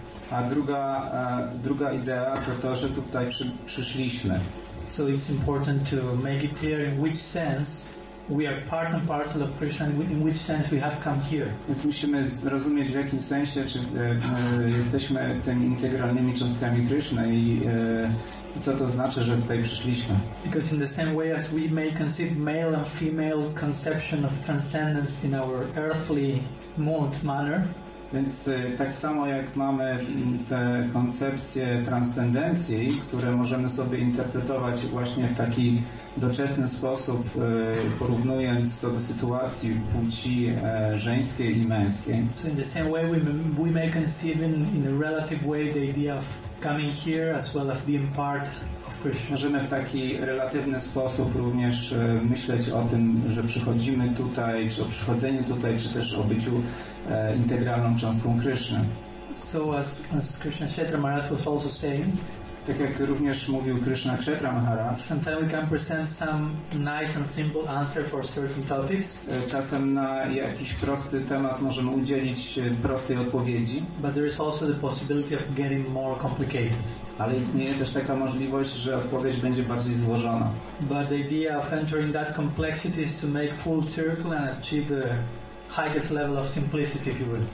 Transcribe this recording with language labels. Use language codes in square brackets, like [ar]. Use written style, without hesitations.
[pl] A druga idea to, że tutaj przyszliśmy. [en] So it's important to make it clear in which sense we are part and parcel of Krishna, in which sense we have come here. [pl] Więc musimy zrozumieć, w jakim sensie czy jesteśmy tymi integralnymi cząstkami Krishna i co to znaczy, że tutaj przyszliśmy. [en] Because in the same way as we may conceive male and female conception of transcendence in our earthly mode manner. [pl] Więc tak samo jak mamy te koncepcje transcendencji, które możemy sobie interpretować właśnie w taki doczesny sposób, porównując to do sytuacji płci żeńskiej i męskiej. [en] So in the same way we may conceive in a relative way the idea of coming here as well as being part. [pl] Możemy w taki relatywny sposób również myśleć o tym, że przychodzimy tutaj, czy o przychodzeniu tutaj, czy też o byciu integralną cząstką Kryszny. [en] So as Krishna Kshetra Maharaj was also saying, [pl] tak jak również mówił Krishna Kshetra Maharaj, [en] sometimes we can present some nice and simple answer for certain topics. [pl] Czasem na jakiś prosty temat możemy udzielić prostej odpowiedzi. [en] But there is also the possibility of getting more complicated. [pl] Ale istnieje też taka możliwość, że odpowiedź będzie bardziej złożona. [en] But the idea of entering that complexity is to make full circle and achieve a highest level of simplicity, if you will.